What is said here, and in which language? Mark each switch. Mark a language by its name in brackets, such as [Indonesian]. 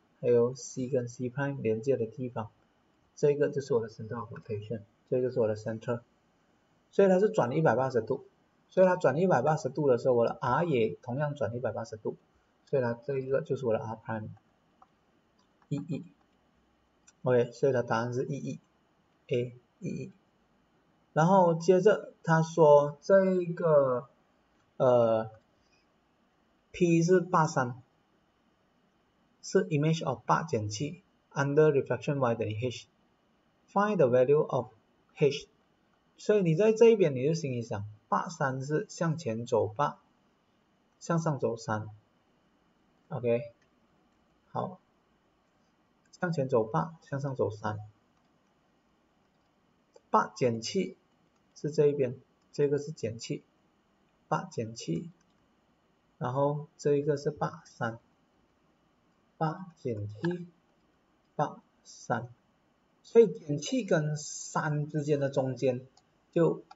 [Chinese] 还有 C 跟 C prime 连接的地方，这个就是我的 [English] center of rotation， [Chinese] 这个是我的 center，所以它是转180度，所以它转180度的时候，我的 R 也同样转180度，所以它这一个就是我的 R prime，一一，OK，所以它答案是一一，A 一一，然后接着他说这个P 是83。是 [English] image of 8减7 under refraction y [Chinese] 等于 [English] h。 Find the value of h。 [Chinese] 所以你在这一边你就心里想，八三是向前走八，向上走三，OK，好，向前走八，向上走三，八减七是这一边，这个是减七，八减七，然后这一个是八三，八减七，八三，所以减七跟三之间的中间就。